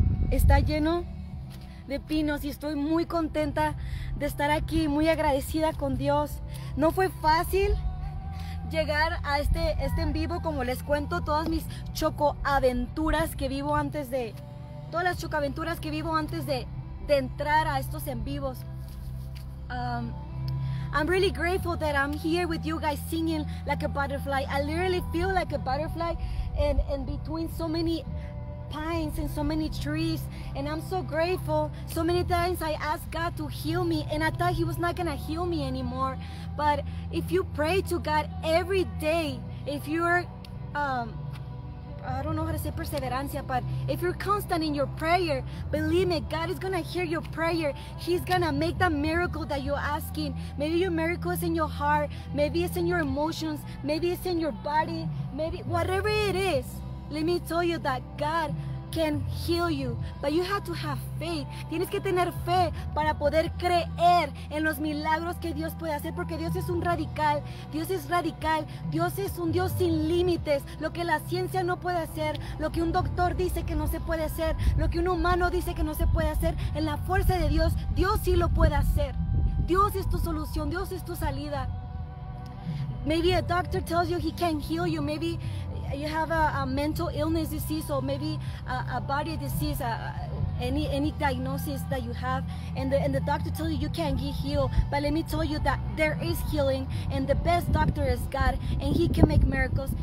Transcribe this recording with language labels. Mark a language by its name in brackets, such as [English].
[Spanish] Está lleno de pinos y estoy muy contenta de estar aquí, muy agradecida con Dios. No fue fácil llegar a este en vivo, como les cuento, todas mis chocoaventuras que vivo antes de... Todas las chocoaventuras que vivo antes de entrar a estos en vivos. [English] I'm really grateful that I'm here with you guys singing like a butterfly. I literally feel like a butterfly and between so many pines and so many trees, and I'm so grateful. So many times I asked God to heal me, and I thought he was not gonna heal me anymore. But if you pray to God every day, if you're I don't know how to say perseverancia, but if you're constant in your prayer, believe me, God is gonna hear your prayer. He's gonna make that miracle that you're asking. Maybe your miracle is in your heart, maybe it's in your emotions, maybe it's in your body, maybe whatever it is. Let me tell you that God can heal you, but you have to have faith. [Spanish] Tienes que tener fe para poder creer en los milagros que Dios puede hacer, porque Dios es un radical. Dios es radical. Dios es un Dios sin límites. Lo que la ciencia no puede hacer, lo que un doctor dice que no se puede hacer, lo que un humano dice que no se puede hacer, en la fuerza de Dios, Dios sí lo puede hacer. Dios es tu solución. Dios es tu salida. [English] Maybe a doctor tells you he can't heal you. Maybe you have a mental illness disease, or maybe a body disease, any diagnosis that you have, and the doctor tells you you can't get healed. But let me tell you that there is healing, and the best doctor is God, and he can make miracles.